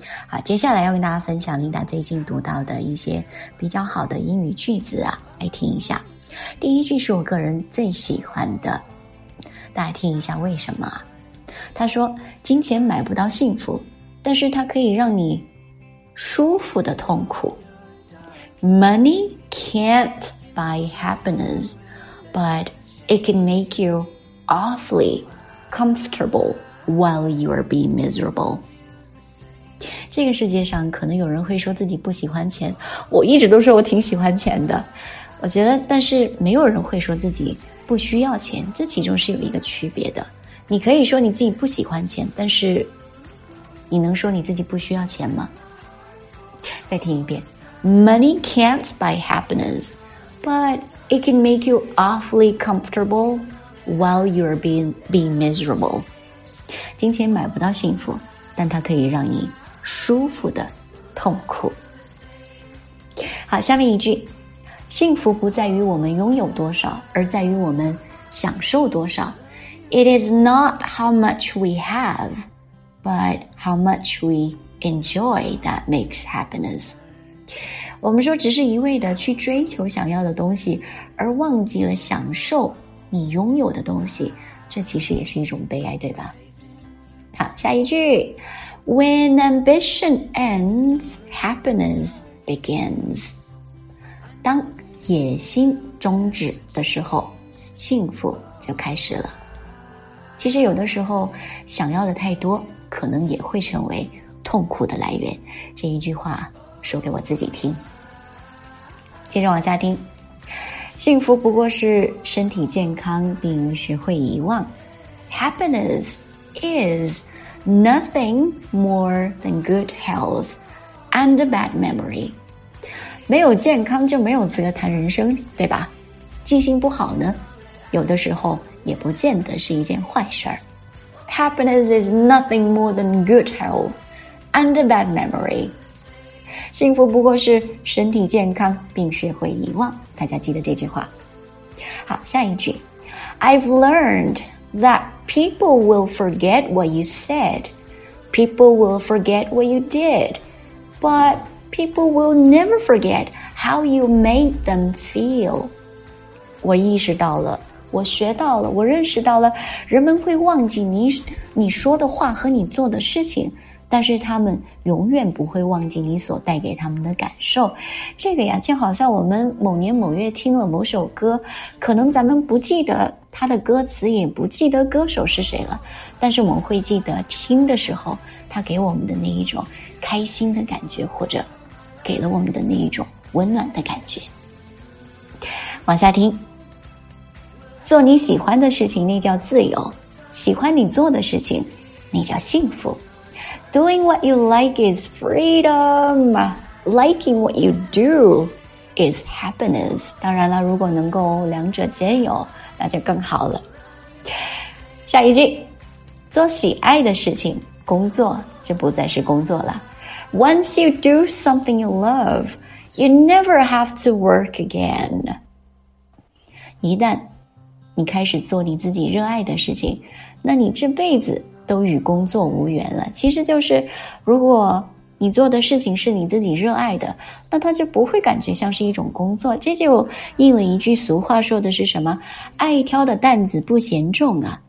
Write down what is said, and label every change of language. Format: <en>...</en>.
<zh>好，接下来要跟大家分享琳达最近读到的一些比较好的英语句子啊，来听一下。第一句是我个人最喜欢的，大家听一下为什么。他说，金钱买不到幸福，但是它可以让你舒服的痛苦。</zh> <en>Money can't buy happiness, but it can make you awfully comfortable while you are being miserable。</en> <zh>这个世界上可能有人会说自己不喜欢钱，我一直都说我挺喜欢钱的，我觉得，但是没有人会说自己不需要钱，这其中是有一个区别的。你可以说你自己不喜欢钱，但是你能说你自己不需要钱吗？再听一遍</zh> <en>Money can't buy happiness, but it can make you awfully comfortable while you're being miserable。</en> <zh>金钱买不到幸福，但它可以让你舒服的痛苦。好，下面一句，幸福不在于我们拥有多少，而在于我们享受多少。</zh> <en>It is not how much we have, but how much we enjoy that makes happiness。</en> <zh>我们说只是一味的去追求想要的东西，而忘记了享受你拥有的东西，这其实也是一种悲哀，对吧？好，下一句，</zh> <en>When ambition ends, happiness begins。</en> <zh>当野心终止的时候，幸福就开始了。其实有的时候想要的太多，可能也会成为痛苦的来源。这一句话说给我自己听。接着往下听，幸福不过是身体健康并学会遗忘。</zh> <en>Happiness is nothing more than good health and a bad memory。</en> <zh>没有健康就没有资格谈人生，对吧？记性不好呢，有的时候也不见得是一件坏事儿。</zh> <en>Happiness is nothing more than good health and a bad memory。</en> <zh>幸福不过是身体健康并学会遗忘。大家记得这句话。好，下一句。</zh> <en>I've learned that people will forget what you said. People will forget what you did. But... People will never forget how you made them feel。</en> <zh>我意识到了，我学到了，我认识到了，人们会忘记你说的话和你做的事情，但是他们永远不会忘记你所带给他们的感受。这个呀，就好像我们某年某月听了某首歌，可能咱们不记得他的歌词，也不记得歌手是谁了，但是我们会记得听的时候他给我们的那一种开心的感觉，或者给了我们的那一种温暖的感觉。往下听，做你喜欢的事情那叫自由，喜欢你做的事情那叫幸福。</zh> <en>Doing what you like is freedom. Liking what you do is happiness.</en> <zh>当然了，如果能够两者兼有，那就更好了。下一句，做喜爱的事情，工作就不再是工作了。</zh> <en>Once you do something you love, you never have to work again.</en> <zh>一旦你开始做你自己热爱的事情，那你这辈子都与工作无缘了。其实就是，如果你做的事情是你自己热爱的，那它就不会感觉像是一种工作。这就应了一句俗话，说的是什么，爱挑的担子不嫌重啊。</zh>